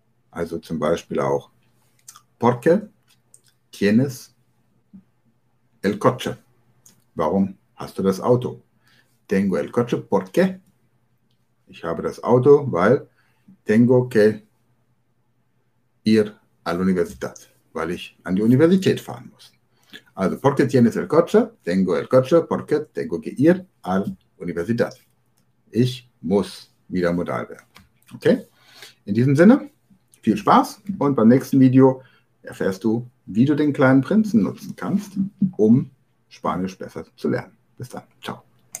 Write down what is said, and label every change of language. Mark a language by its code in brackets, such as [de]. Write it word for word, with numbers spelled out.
[de] Also zum Beispiel auch [es] ¿Por qué tienes el coche? [de] Warum hast du das Auto? [es] Tengo el coche, ¿por qué? [de] Ich habe das Auto, weil [es] tengo que ir a la universidad, [de] weil ich an die Universität fahren muss. [es] Also, ¿por qué tienes el coche? Tengo el coche, porque tengo que ir a la universidad. [de] Ich muss wieder modal werden. Okay? In diesem Sinne, viel Spaß und beim nächsten Video erfährst du, wie du den kleinen Prinzen nutzen kannst, um Spanisch besser zu lernen. Bis dann. Ciao.